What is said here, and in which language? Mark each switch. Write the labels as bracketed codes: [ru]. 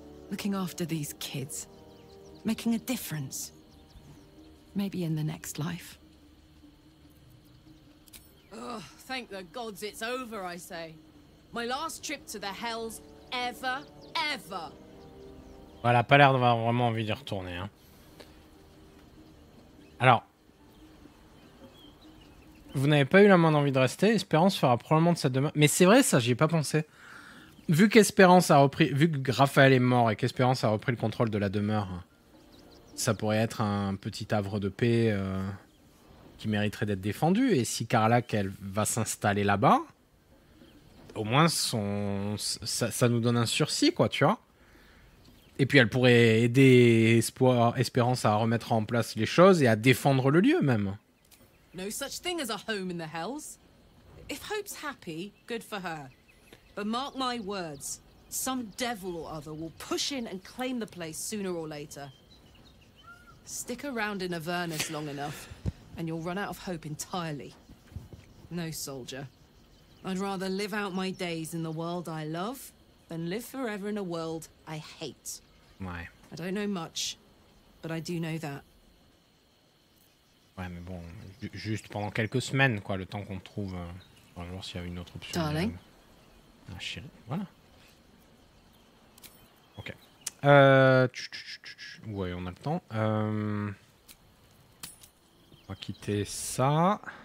[en] Looking after these kids. Making a difference. Maybe in the next life. Ugh, thank the gods it's over, I say. My last trip to the hells ever, ever. [fr] Voilà, pas l'air d'avoir vraiment envie d'y retourner, hein. Alors, vous n'avez pas eu la moindre envie de rester. Espérance fera probablement de sa demande. Mais c'est vrai, ça, j'y ai pas pensé. Vu qu'Espérance a repris, vu que Raphaël est mort et qu'Espérance a repris le contrôle de la demeure, ça pourrait être un petit havre de paix qui mériterait d'être défendu. Et si Carlac, elle va s'installer là-bas. Au moins, ça nous donne un sursis, quoi, tu vois. Et puis, elle pourrait aider Espérance à remettre en place les choses et à défendre le lieu, même. [en] No such thing as a home in the hells. If Hope's happy, good for her. But mark my words, some devil or other will push in and claim the place sooner or later. Stick around in Avernus long enough, and you'll run out of hope entirely. No, soldier. I'd rather live out my days in the world I love than live forever in a world I hate. [fr] Ouais. [en] I don't know much, but I do know that. [fr] Ouais, mais bon, juste pendant quelques semaines, quoi, le temps qu'on trouve. On va voir s'il y a une autre option. [en] Darling. [fr] Ah, chérie, voilà. Ok. Ouais, on a le temps. On va quitter ça.